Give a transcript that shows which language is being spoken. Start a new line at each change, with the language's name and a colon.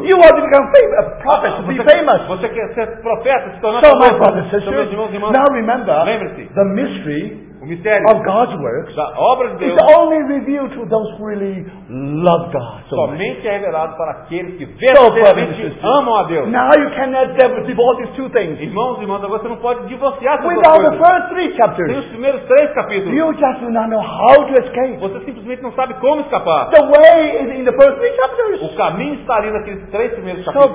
English: You want to become prophets, to be famous.
Portuguese: Você quer ser profeta, se tornar
English: so
Portuguese: famoso.
English: My brothers and sisters, now remember, the mystery of God's works
Portuguese: da obra de Deus
English: is only revealed to those who really love God. So
Portuguese: somente é revelado para aqueles que verdadeiramente amam a Deus.
English: Now you cannot divorce these two things.
Portuguese: Irmãos e irmãs, você não pode divorciar.
English: Without the first three chapters,
Portuguese: os primeiros três capítulos,
English: you just do not know how to escape.
Portuguese: Você simplesmente não sabe como escapar.
English: The way is in the first three chapters.
Portuguese: O caminho está ali naqueles três primeiros capítulos.